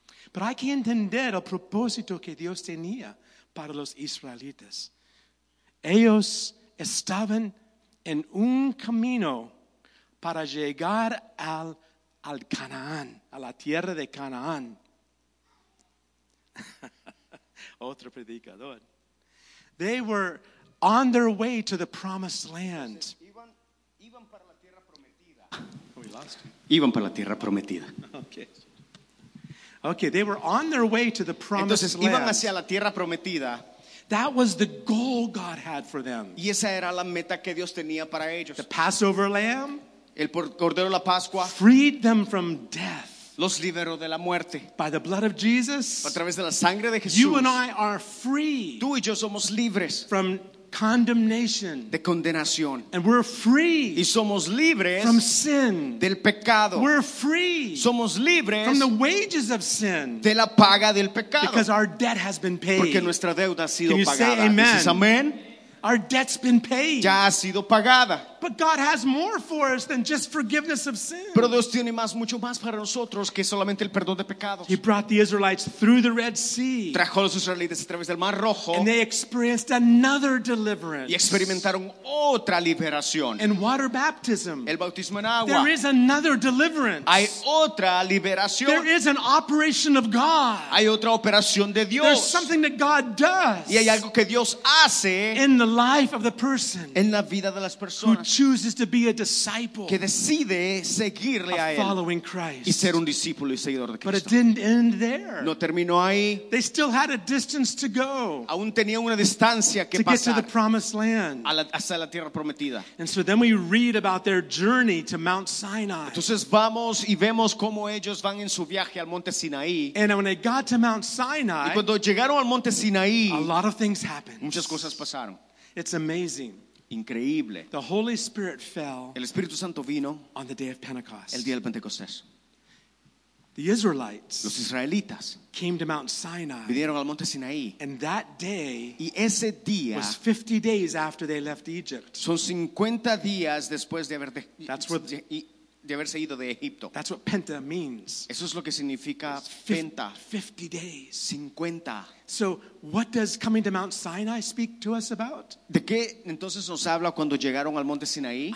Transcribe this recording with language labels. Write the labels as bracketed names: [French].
[Spanish] Pero hay que entender el propósito que Dios tenía para los israelitas. Ellos estaban en un camino para llegar al Canaán, a la tierra de Canaán. Otro predicador. [English] They were on their way to the promised land. [Spanish] Iban para la tierra prometida. Iban para la tierra prometida. [English] Okay, they were on their way to the promised [Spanish] Entonces, iban hacia la tierra prometida. [English] That was the goal God had for them. [Spanish] Y esa era la meta que Dios tenía para ellos. [English] The Passover lamb, [Spanish] el cordero de la Pascua, [English] freed them from death. [Spanish] Los liberó de la muerte. [English] By the blood of Jesus, [Spanish] a través de la sangre de Jesús. [English] You and I are free. [Spanish] Tú y yo somos libres. [English] From condemnation, [Spanish] de condenación, [English] and we're free. [Spanish] Y somos libres [English] from sin, [Spanish] del pecado. [English] We're free. [Spanish] Somos libres [English] from the wages of sin, [Spanish] de la paga del pecado. [English] Because our debt has been paid. [Spanish] Porque nuestra deuda ha sido [English] Can [Spanish] pagada. [English] You say amen? [Spanish] Dices, amen. [English] Our debt's been paid. [Spanish] Ya ha sido pagada. [English] But God has more for us than just forgiveness of sin. [Spanish] Pero Dios tiene más, mucho más para nosotros que solamente el perdón de pecados. [English] He brought the Israelites through the Red Sea. [Spanish] Trajo a los israelitas a través del Mar Rojo. [English] And they experienced another deliverance. [Spanish] Y experimentaron otra liberación. [English] And water baptism. [Spanish] El bautismo en agua. [English] There is another deliverance. [Spanish] Hay otra liberación. [English] There is an operation of God. [Spanish] Hay otra operación de Dios. [English] There's something that God does. [Spanish] Y hay algo que Dios hace. [English] In the life of the person. [Spanish] En la vida de las personas. [English] Chooses to be a disciple, [Spanish] que decide seguirle a él, [English] following Christ, [Spanish] y ser un discípulo y seguidor de Cristo. [English] But it didn't end there. [Spanish] No terminó ahí. [English] They still had a distance to go. [Spanish] Aún tenía una distancia que pasar. [English] To get to the promised land, [Spanish] hasta la tierra prometida. [English] And so then we read about their journey to Mount Sinai. [Spanish] Entonces vamos y vemos cómo ellos van en su viaje al Monte Sinaí. [English] And when they got to Mount Sinai, [Spanish] y cuando llegaron al Monte Sinaí, [English] a lot of things happened. [Spanish] Muchas cosas pasaron. [English] It's amazing. [Spanish] Increíble. [English] The Holy Spirit fell [Spanish] el Espíritu Santo vino [English] on the day of Pentecost. [Spanish] El día del Pentecostés. [English] The Israelites [Spanish] los israelitas [English] came to Mount Sinai [Spanish] vinieron al Monte Sinaí. [English] And that day [Spanish] y ese día [English] was 50 days after they left Egypt. [Spanish] Son 50 días después de haber haberse ido de Egipto. [English] That's what Penta means. [Spanish] Eso es lo que significa Penta. [English] 50 days. [Spanish] 50. [English] So what does coming to Mount Sinai speak to us about? [Spanish] ¿De qué entonces nos habla cuando llegaron al monte Sinaí?